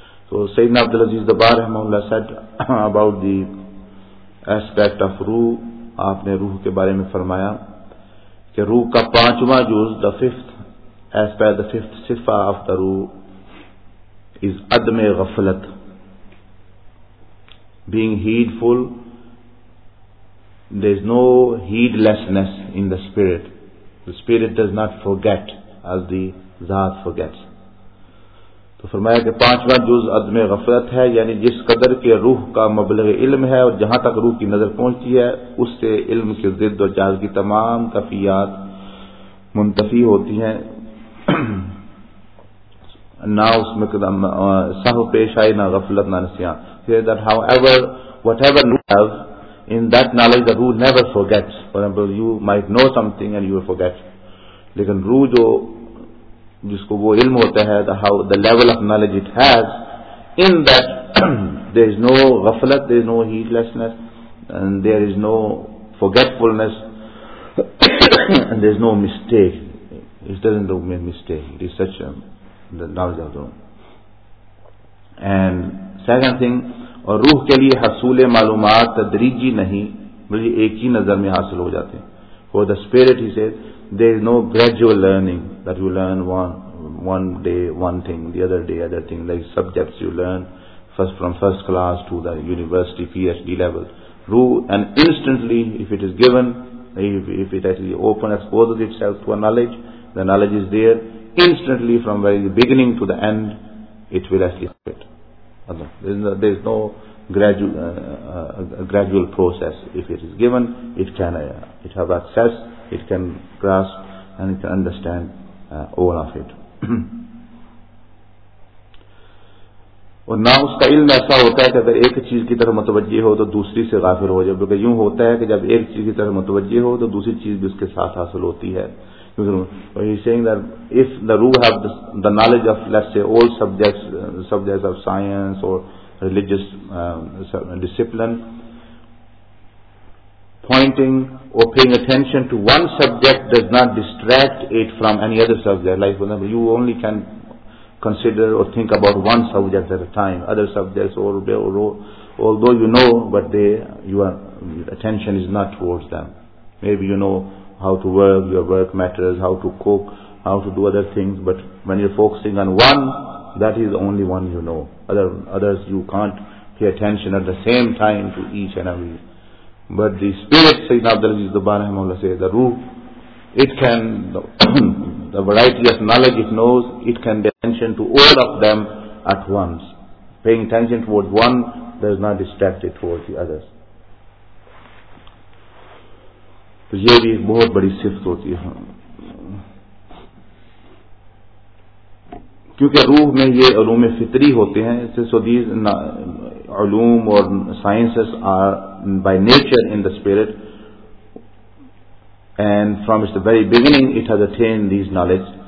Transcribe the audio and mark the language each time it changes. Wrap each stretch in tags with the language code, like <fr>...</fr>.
<en>So Sayyidina Abdulaziz Dabar Rahimahullah said about the aspect of Ruh,</en> <ur>aapne Ruh ke baare mein farmaya ke Ruh ka panchwa juz,</ur> <en>the fifth aspect, the fifth sifa of the Ruh is adme ghaflat, being heedful. There is no heedlessness in the spirit. The spirit does not forget as the Zat forgets.</en> <ur>تو فرمایا کہ پانچواں جز عدم غفلت ہے, یعنی جس قدر کے روح کا مبلغ علم ہے اور جہاں تک روح کی نظر پہنچتی ہے, اس سے علم کی ضد اور جہل کی تمام کفیات منتفی ہوتی ہیں. نہ اس میں قدم سہو پیش آئے, نہ غفلت, نہ نسیان.</ur> <en>However, whatever you have, in that knowledge the Ruh never forgets. For example, you might know something and you forget.</en> <ur>لیکن Ruh جو جس کو وہ علم ہوتا ہے,</ur> <en>the level of knowledge it has, in that there is no غفلت, there is no heedlessness, and there is no forgetfulness, and there is no mistake. It doesn't make a mistake. It is such the knowledge of the Ruh. And second thing,</en> <ur>اور روح کے لیے حصول معلومات تدریجی نہیں, بلکہ ایک ہی نظر میں حاصل ہو جاتے ہیں.</ur> <en>For the spirit, he says, there is no gradual learning, that you learn one day one thing, the other day other thing, like subjects you learn first from first class to the university PhD level. Ruh, and instantly, if it is given, if it actually opens, exposes itself to a knowledge, the knowledge is there, instantly from very beginning to the end, it will actually spread. There is no gradual process. If it is given, it can it have access, it can grasp, and it can understand all of it.</en> <ur>اور نہ اس کا علم ایسا ہوتا ہے کہ اگر ایک چیز کی طرف متوجہ ہو تو دوسری سے غافل ہو جائے. بلکہ یوں ہوتا ہے کہ جب ایک چیز کی طرف متوجہ ہو تو دوسری چیز بھی اس کے ساتھ حاصل ہوتی ہے.</ur> <en>He is saying that if the Ruh have the knowledge of, let's say, all subjects, subjects of science or religious discipline, pointing or paying attention to one subject does not distract it from any other subject. Like, for example, you only can consider or think about one subject at a time. Other subjects, although you know, but your attention is not towards them. Maybe you know how to work, your work matters, how to cook, how to do other things, but when you're focusing on one, that is the only one you know. Others you can't pay attention at the same time to each and every. But the spirit, Sayyidina Abdulaziz Dabar Rahimahullah says, the Ruh, it can, the variety of knowledge it knows, it can pay attention to all of them at once. Paying attention towards one does not distract it towards the others.</en> <ur>تو یہ بھی بہت بڑی صفت ہوتی ہے, کیونکہ روح میں یہ علوم فطری ہوتے ہیں.</ur> <en>So these علوم اور sciences are by nature in the spirit, and from its very beginning it has attain these knowledge.</en>